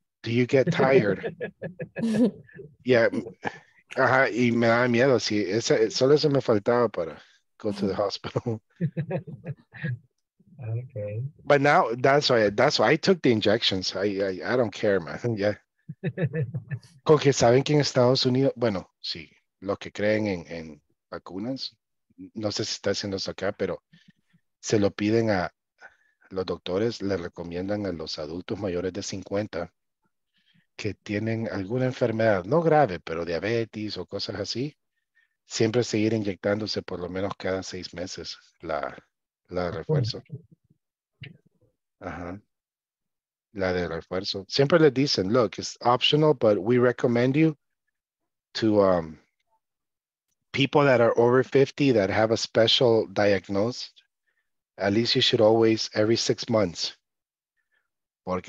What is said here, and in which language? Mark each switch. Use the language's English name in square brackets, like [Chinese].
[English] Do you get tired? Yeah. Uh-huh. [Spanish] Y me da miedo. Sí. Solo eso me faltaba para [English] go to the hospital. Okay. But now that's why I took the injections. I don't care, man. Yeah. [Spanish] Porque saben que en Estados Unidos, bueno, sí, los que creen en vacunas, no sé si está haciendo eso acá, pero se lo piden a los doctores, le recomiendan a los adultos mayores de 50 que tienen alguna enfermedad, no grave, pero diabetes o cosas así, siempre seguir inyectándose por lo menos cada 6 meses la de refuerzo. Ajá. La de refuerzo. Siempre le dicen, [English] look, it's optional, but we recommend you to people that are over 50 that have a special diagnosis. At least you should always, every 6 months. Porque